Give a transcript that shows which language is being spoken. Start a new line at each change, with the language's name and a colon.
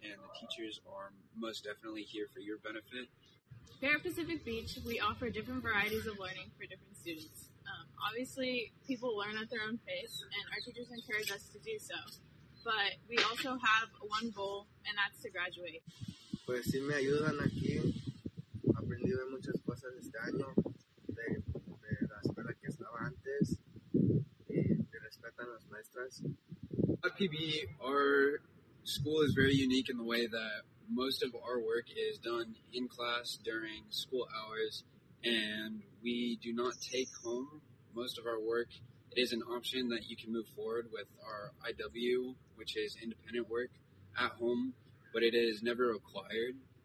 English: And the teachers are most definitely here for your benefit. Here at Pacific Beach, we offer different varieties of learning for different students. Obviously, people learn at their own pace, and our teachers encourage us to do so. But we also have one goal, and that's to graduate.
Spanish: Pues sí, me ayudan aquí. Aprendí de muchas cosas este año, de la escuela que estaba antes, y de respetan las maestras.
English: At PB, our school is very unique in the way that most of our work is done in class during school hours. And we do not take home most of our work. It is an option that you can move forward with our IW, which is independent work at home, but it is never required.